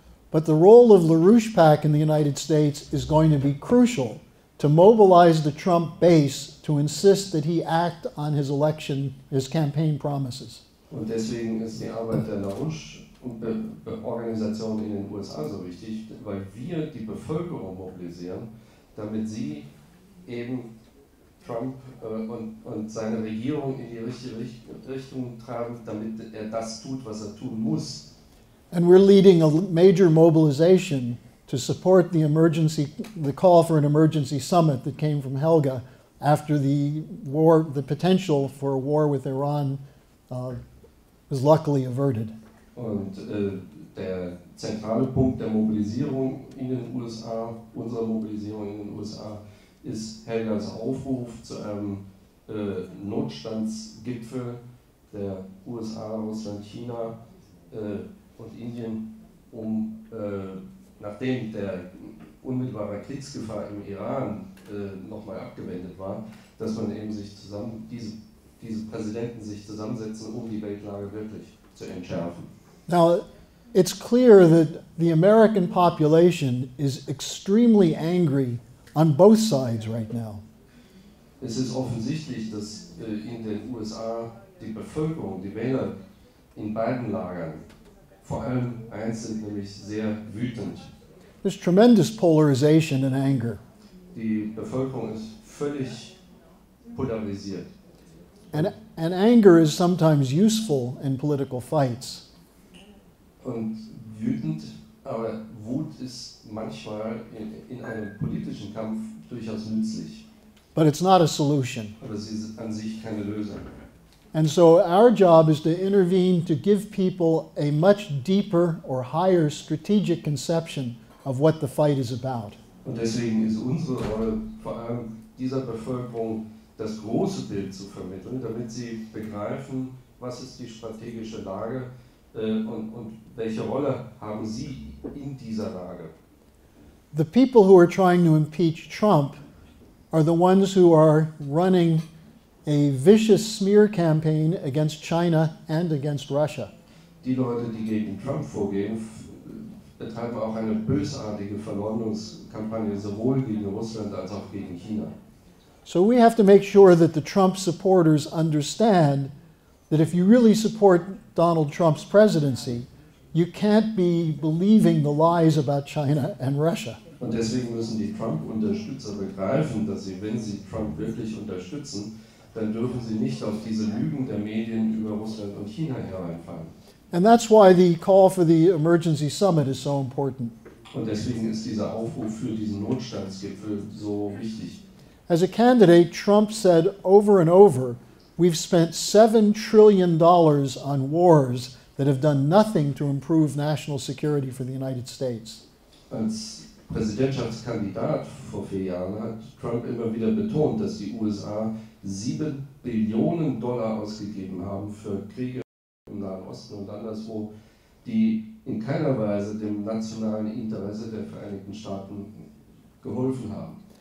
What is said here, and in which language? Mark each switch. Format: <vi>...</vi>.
<en>But the role of LaRouchePAC in the United States is going to be crucial to mobilize the Trump base to insist that he act on his election, his campaign promises.</en> <de>Und deswegen ist die Arbeit der LaRouche und Organisationen in den USA so wichtig, weil wir die Bevölkerung mobilisieren, damit sie eben Trump und seine Regierung in die richtige Richtung treiben, damit er das tut, was er tun muss.</de> <en>And we're leading a major mobilization to support the call for an emergency summit that came from Helga after the war, the potential for a war with Iran was luckily averted.</en> <de>Und der zentrale Punkt der Mobilisierung in den USA, unserer Mobilisierung in den USA, ist Helgas Aufruf zu einem Notstandsgipfel der USA, Russland, China und Indien, um nachdem der unmittelbare Kriegsgefahr im Iran nochmal abgewendet war, dass man eben sich zusammen, diese Präsidenten sich zusammensetzen, um die Weltlage wirklich zu entschärfen.</de> <en>Now, it's clear that the American population is extremely angry on both sides right now.</en> <de>Es ist offensichtlich, dass in den USA die Bevölkerung, die Wähler in beiden Lagern, vor allem eins sind, nämlich sehr wütend.</de> <en>There's tremendous polarization and anger.</en> <de>Die Bevölkerung ist völlig polarisiert.</de> <en>And anger is sometimes useful in political fights.</en> <de>Und wütend, aber Wut ist manchmal in einem politischen Kampf durchaus nützlich.</de> <en>But it's not a solution.</en> <de>Aber sie ist an sich keine Lösung.</de> <en>And so our job is to intervene to give people a much deeper or higher strategic conception of what the fight is about.</en> <de>Und deswegen ist unsere Rolle vor allem dieser Bevölkerung das große Bild zu vermitteln, damit sie begreifen, was ist die strategische Lage. Und welche Rolle haben Sie in dieser Lage?</de> <en>The people who are trying to impeach Trump are the ones who are running a vicious smear campaign against China and against Russia.</en> <de>Die Leute, die gegen Trump vorgehen, betreiben auch eine bösartige Verleumdungskampagne sowohl gegen Russland als auch gegen China.</de> <en>So we have to make sure that the Trump supporters understand that if you really support Donald Trump's presidency, you can't be believing the lies about China and Russia.</en> <de>Und deswegen müssen die Trump-Unterstützer begreifen, dass sie, wenn sie Trump wirklich unterstützen, dann dürfen sie nicht auf diese Lügen der Medien über Russland und China hereinfallen.</de> <en>And that's why the call for the emergency summit is so important.</en> <de>Und deswegen ist dieser Aufruf für diesen Notstandsgipfel so wichtig.</de> <en>As a candidate, Trump said over and over, we've spent $7 trillion on wars that have done nothing to improve national security for the United States.</en> <de>Als Präsidentschaftskandidat vor 4 Jahren hat Trump immer wieder betont, dass die USA $7 billion ausgegeben haben für Kriege im Nahen Osten und anderswo, die in keiner Weise dem nationalen Interesse der Vereinigten Staaten geholfen haben.</de>